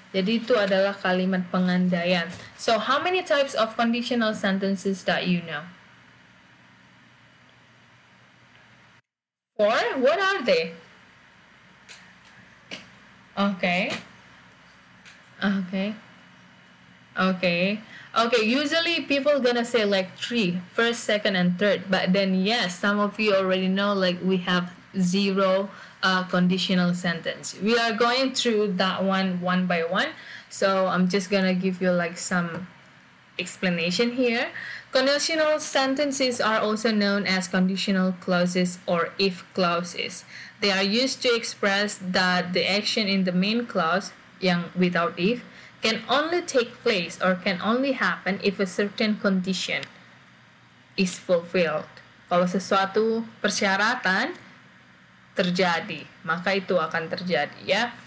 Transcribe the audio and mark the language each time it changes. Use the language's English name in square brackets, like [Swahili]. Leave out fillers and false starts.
[Indonesian] Jadi itu adalah kalimat pengandaian. [English] So, how many types of conditional sentences that you know? Four? What are they? Okay. Usually people gonna say like three, first, second, and third. But then yes, some of you already know like we have zero conditional sentence. We are going through that one by one. So I'm just gonna give you like some explanation here. Conditional sentences are also known as conditional clauses or if clauses. They are used to express that the action in the main clause, [Indonesian] yang [English] without if, can only take place or can only happen if a certain condition is fulfilled. [Indonesian] Kalau sesuatu persyaratan terjadi, maka itu akan terjadi, ya.